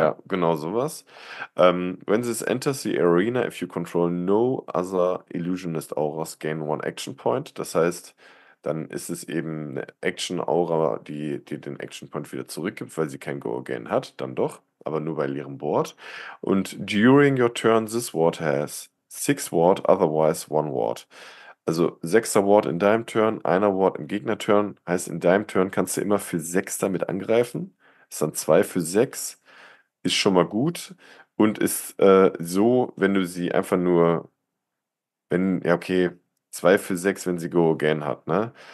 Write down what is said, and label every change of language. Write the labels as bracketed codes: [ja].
[de] Ja, genau sowas. [en] When this enters the arena, if you control no other Illusionist Auras, gain one Action Point. [de] Das heißt, dann ist es eben eine Action Aura, die den Action Point wieder zurückgibt, weil sie kein Go Again hat. Dann doch, aber nur bei leerem Board. [en] Und during your turn, this ward has 6 Ward, otherwise 1 Ward. [de] Also 6er Ward in deinem Turn, 1er Ward im Gegner-Turn. Heißt, in deinem Turn kannst du immer für 6 damit angreifen. Ist dann 2 für 6. Ist schon mal gut und ist so, wenn du sie einfach nur, wenn, ja, okay, 2 für 6, wenn sie Go Again hat, ne?